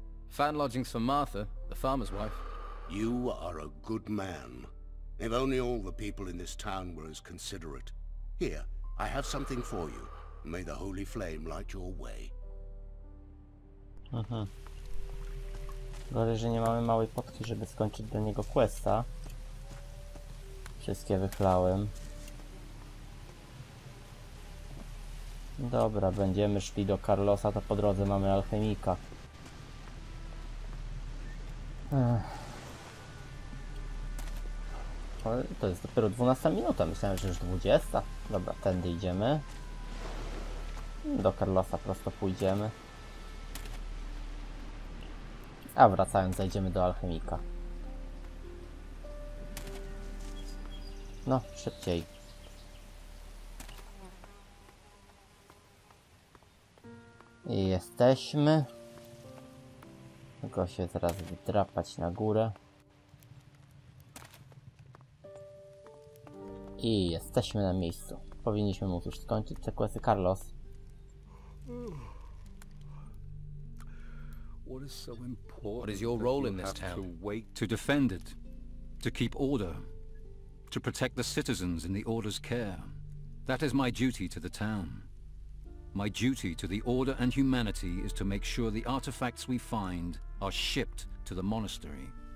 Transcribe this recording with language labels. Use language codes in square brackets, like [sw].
[en] Found lodgings for Martha, the farmer's wife. You are a good man. If only all the people in this town were as considerate. Here, I have something for you. May the holy flame light your way. [pl] Gorzej, że nie mamy małej potki, żeby skończyć do niego questa. Wszystkie wychlałem. Dobra, będziemy szli do Carlosa, to po drodze mamy alchemika. Ale to jest dopiero 12 minuta, myślałem, że już 20. Dobra, tędy idziemy. Do Carlosa prosto pójdziemy. A wracając, zajdziemy do alchemika. No, szybciej. I jesteśmy. Tylko się teraz wydrapać na górę. I jesteśmy na miejscu. Powinniśmy móc już skończyć te questy, Carlos. [en] What is so important? What is your role in this town? To defend it. To keep order. To protect the citizens in the order's care. That is my duty to the town. My duty to the order and humanity is to make sure the artifacts we find are shipped to the monastery.